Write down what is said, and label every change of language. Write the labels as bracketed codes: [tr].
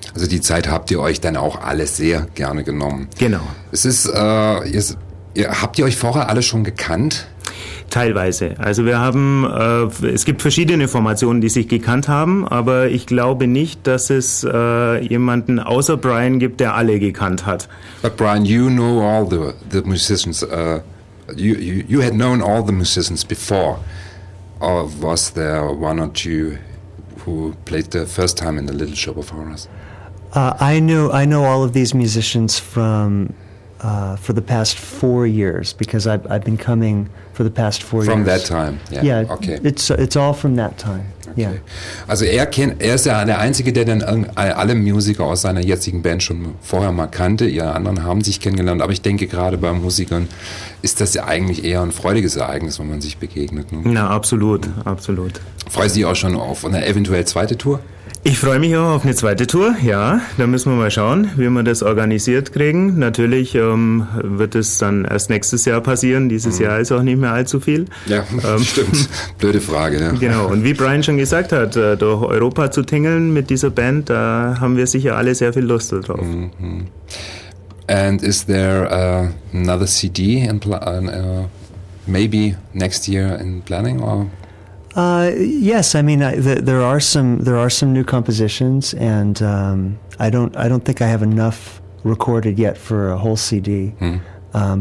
[de] Also die Zeit habt ihr euch dann auch alles sehr gerne genommen. Genau. Es ist, habt ihr euch vorher alle schon gekannt? Teilweise. Also wir haben, es gibt verschiedene Formationen, die sich gekannt haben, aber ich glaube nicht, dass es jemanden außer Brian gibt, der alle gekannt hat. [en] But Brian, you know all the musicians, you had known all the musicians before, or was there one or two who played the first time in the Little Shop of Horrors? I know all of these musicians from For the past 4 years, because I've been coming for the past four from years. From that time. Yeah. Yeah, okay. It's all from that time. Okay. Yeah. [de] Also er ist ja der Einzige, der dann alle Musiker aus seiner jetzigen Band schon vorher mal kannte. Ihr anderen haben sich kennengelernt, aber ich denke gerade bei Musikern ist das ja eigentlich eher ein freudiges Ereignis, wenn man sich begegnet. Ne? Na, absolut, absolut. Freust du dich auch schon auf eine eventuell zweite Tour? Ich freue mich auch auf eine zweite Tour, ja. Da müssen wir mal schauen, wie wir das organisiert kriegen. Natürlich wird es dann erst nächstes Jahr passieren. Dieses Jahr ist auch nicht mehr allzu viel. Ja, stimmt. Blöde Frage, ja. Genau. Und wie Brian schon gesagt hat, durch Europa zu tingeln mit dieser Band, da haben wir sicher alle sehr viel Lust drauf. Mhm. [en] And is there another CD in maybe next year in planning or...? Yes, I mean there are some new compositions, and I don't think I have enough recorded yet for a whole CD. Mm-hmm.